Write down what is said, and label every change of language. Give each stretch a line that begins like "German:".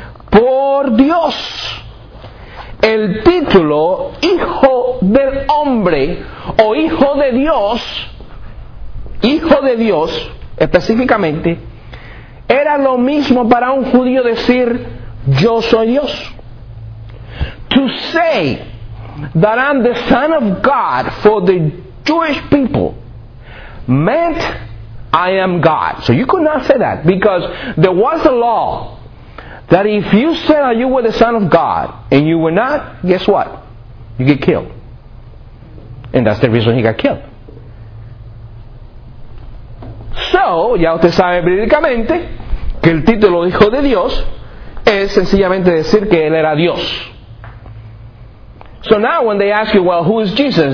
Spanish: Por Dios. El título hijo del hombre o hijo de Dios específicamente, era lo mismo para un judío decir yo soy Dios.
English: To say that I'm the son of God for the Jewish people meant I am God. So you could not say that, because there was a law that if you said that you were the son of God and you were not, guess what? You get killed. And that's the reason he got killed.
Spanish: So, ya usted sabe bíblicamente que el título hijo de Dios es sencillamente decir que él era Dios.
English: So now when they ask you, well, who is Jesus?